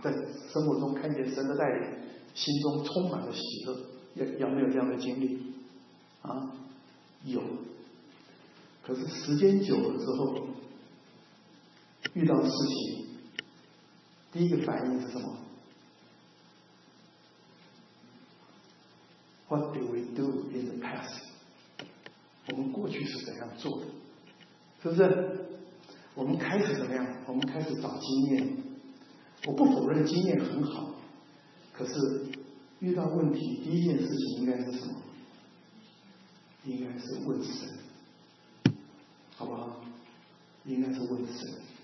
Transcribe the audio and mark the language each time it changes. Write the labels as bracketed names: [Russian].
[Chinese] 在生活中看见神的带领，心中充满了喜乐。有没有这样的经历？啊，有。可是时间久了之后，遇到事情第一个反应是什么？ [English] What did we do in the past？ [Chinese] 我们过去是怎样做的，是不是？我们开始怎么样？我们开始找经验。我不否认经验很好，可是遇到问题第一件事情应该是什么？应该是问神，好不好？应该是问神。